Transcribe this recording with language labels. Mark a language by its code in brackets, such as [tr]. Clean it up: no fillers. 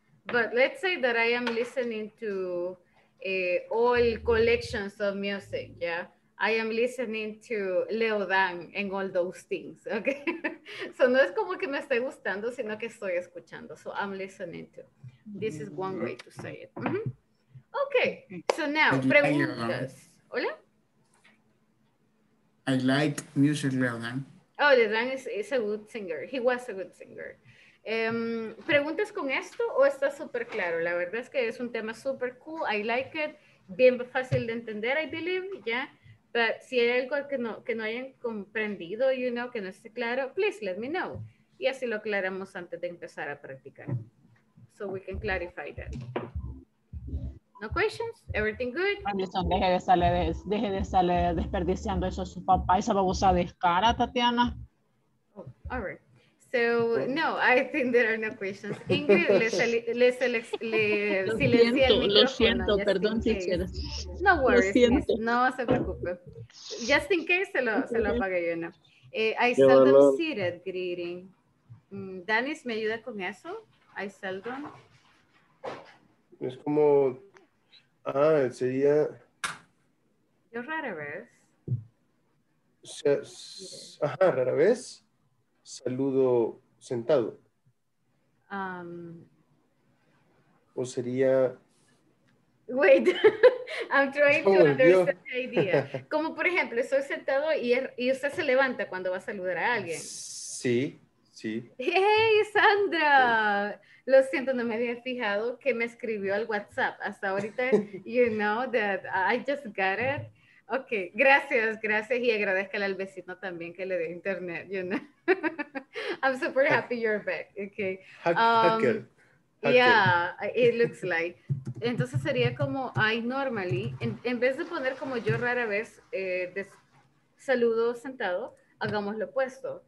[en] But let's say that I am listening to all collections of music, yeah? I am listening to Leo Dan and all those things, okay? So [es] no es como que me esté gustando, sino que estoy escuchando. [en] So I'm listening to. This is one way to say it. Mm-hmm. Okay, so now, [es] preguntas. Hola? [en] I like music, Leo Dan. Oh, Leo Dan is a good singer. He was a good singer. [es] ¿Preguntas con esto o está súper claro? La verdad es que es un tema súper cool. [en] I like it. [es] Bien fácil de entender, [en] I believe, yeah. But [es] si hay algo que no hayan comprendido, [en] you know, [es] que no esté claro, [en] please let me know. [es] Y así lo aclaramos antes de empezar a practicar. [en] So we can clarify that. No questions? Everything good? [es] Anderson, deje de salir desperdiciando eso a su papá y se va a usar de cara, Tatiana. [en] Oh, all right. So, no, I think there are no questions. [es] Ingrid, le silencié el micrófono. Lo siento, perdón, teacher. [en] No worries, [es] no se preocupe. [en] Just in case, [es] se lo apague yo, ¿no? [en] I seldom see that greeting. [es] Danis, ¿me ayuda con eso? [en] I seldom. [es] Es como, ah, sería. Yo rara vez. Ajá, rara vez. Saludo sentado. O sería. [en] Wait, I'm trying to understand the idea. [es] Como por ejemplo, estoy sentado y usted se levanta cuando va a saludar a alguien. Sí, sí. [en] Hey, Sandra. [es] Lo siento, no me había fijado que me escribió al WhatsApp. Hasta ahorita, [en] you know that I just got it. [es] Ok, gracias, gracias. Y agradezcale al vecino también que le dé internet. [en] You know? I'm super happy you're back. Okay. Hacker. Yeah, it looks like. [es] Entonces sería como [en] I normally, [es] en vez de poner como yo rara vez saludo sentado, hagamos lo opuesto.